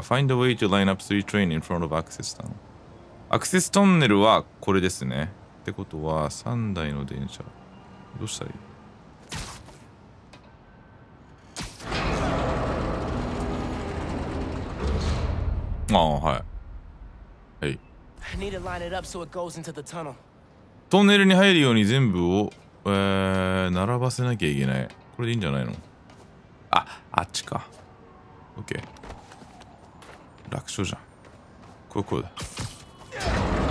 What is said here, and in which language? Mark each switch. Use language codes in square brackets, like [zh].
[en] Find a way to line up three trains in front of access tunnel。 [ja] アクセストンネルはこれですね。ってことは3台の電車。どうしたらいい？ああ、はい。はい。 [en] I need to line it up so it goes into the tunnel. [ja] トンネルに入るように全部を、並ばせなきゃいけない。これでいいんじゃないの？あ、あっちか。OK。 楽勝じゃん。これこうだ。